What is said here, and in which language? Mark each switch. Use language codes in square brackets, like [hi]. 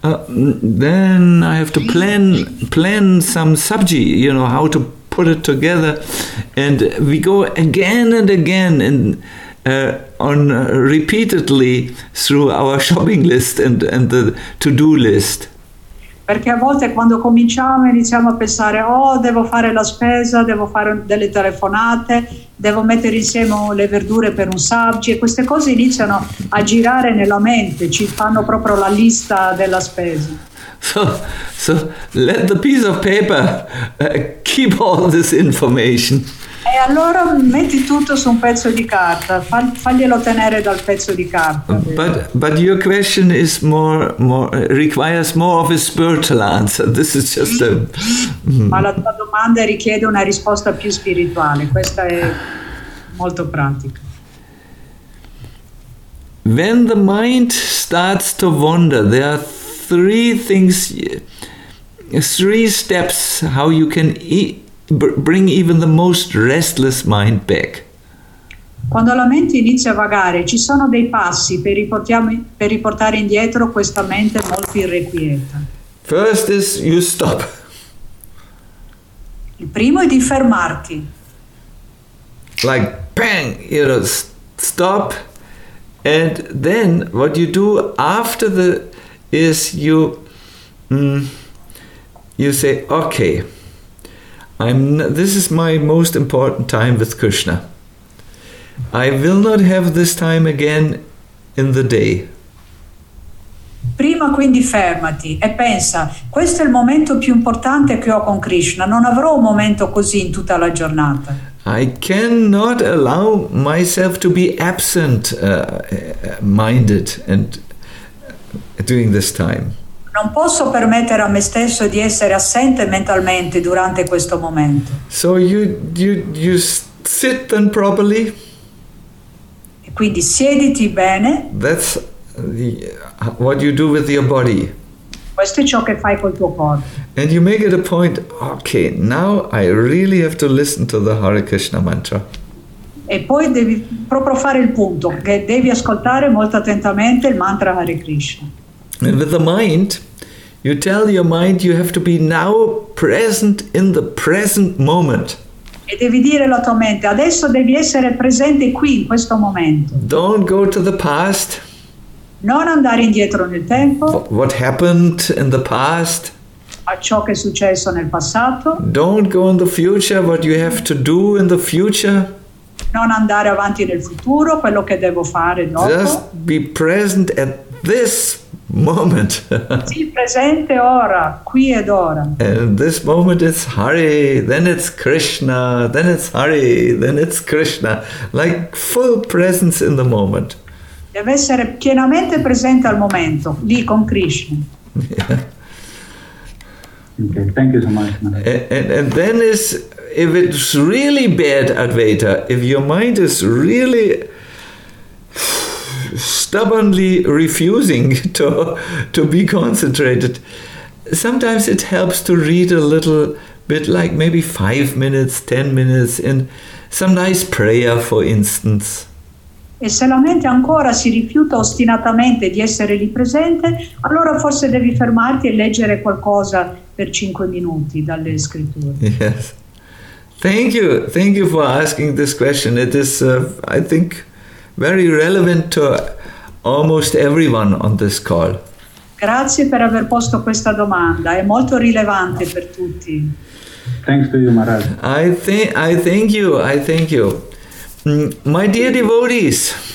[en] Then I have to plan some sabji, you know, how to put it together. And we go again and again and repeatedly through our shopping list and the to-do list. [it] Perché a volte quando iniziamo a pensare, oh, devo fare la spesa, devo fare delle telefonate, devo mettere insieme le verdure per un sabji, e queste cose iniziano a girare nella mente, ci fanno proprio la lista della spesa. [en] So let the piece of paper keep all this information. [it] E allora metti tutto su un pezzo di carta. Faglielo tenere dal pezzo di carta. [en] But your question is more requires more of a spiritual answer. This is just a. [it] Ma la tua domanda richiede una risposta più spirituale. Questa è molto pratica. [en] When the mind starts to wander, there are three steps how you can bring even the most restless mind back. [it] Quando la mente inizia a vagare, ci sono dei passi per riportare indietro questa mente molto irrequieta. [en] First is you stop. [it] Il primo è di fermarti. [en] Like bang, you know, stop. And then what you do after the is you say, okay, this is my most important time with Krishna. I will not have this time again in the day. [it] Prima quindi fermati e pensa, questo è il momento più importante che ho con Krishna, non avrò un momento così in tutta la giornata. [en] I cannot allow myself to be absent minded and during this time. [it] Non posso permettere a me stesso di essere assente mentalmente durante questo momento. [en] So you sit then properly. [it] E quindi siediti bene. [en] That's what you do with your body. [it] Questo è ciò che fai col tuo corpo. [en] And you make it a point, okay, now I really have to listen to the Hare Krishna mantra. [it] E poi devi proprio fare il punto, che devi ascoltare molto attentamente il mantra Hare Krishna. [en] And with the mind, you tell your mind you have to be now present in the present moment. [it] E devi dire alla tua mente, adesso devi essere presente qui, in questo momento. [en] Don't go to the past. [it] Non andare indietro nel tempo. [en] What happened in the past. [it] A ciò che è successo nel passato. [en] Don't go in the future, what you have to do in the future. [it] Non andare avanti nel futuro, quello che devo fare dopo. [en] Just be present at this moment. [it] Sì, presente ora, qui ed ora. [en] And this moment is Hare, then it's Krishna, then it's Hare, then it's Krishna. Like full presence in the moment. [it] Deve essere pienamente presente al momento, lì con Krishna. [en] Yeah. Okay, thank you so much. And then is, if it's really bad, Advaita, if your mind is really stubbornly refusing to be concentrated, sometimes it helps to read a little bit, like maybe 5 minutes, 10 minutes, in some nice prayer, for instance. [it] E se la mente ancora si rifiuta ostinatamente di essere lì presente, allora forse devi fermarti e leggere qualcosa per 5 minuti dalle scritture. [en] Yes. Thank you for asking this question. It is, I think, very relevant to almost everyone on this call. [it] Grazie per aver posto questa domanda. È molto rilevante per tutti. [en] Thanks to you, Maharaj. I thank you. My dear devotees.